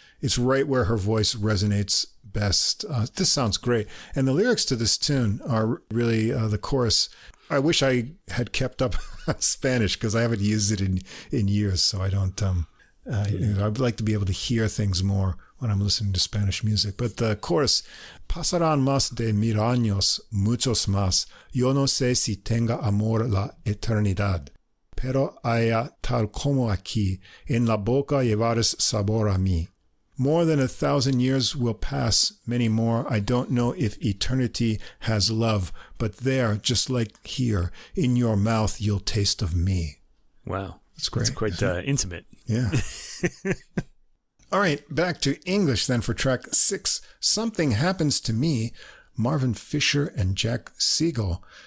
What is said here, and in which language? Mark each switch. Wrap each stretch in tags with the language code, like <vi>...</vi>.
<en>It's right where her voice resonates best. This sounds great. And the lyrics to this tune are really the chorus. I wish I had kept up Spanish because I haven't used it in years. So I don't, I'd like to be able to hear things more when I'm listening to Spanish music. But the chorus,</en> <es>pasarán más de mil años, muchos más. Yo no sé si tenga amor la eternidad. Pero haya tal como aquí, en la boca llevarás sabor a mí.</es> <en>More than 1,000 years will pass, many more. I don't know if eternity has love, but there, just like here, in your mouth, you'll taste of me. Wow. That's great. That's quite intimate. Yeah. All right, back to English then for track 6. Something Happens to Me, Marvin Fisher and Jack Siegel.</en>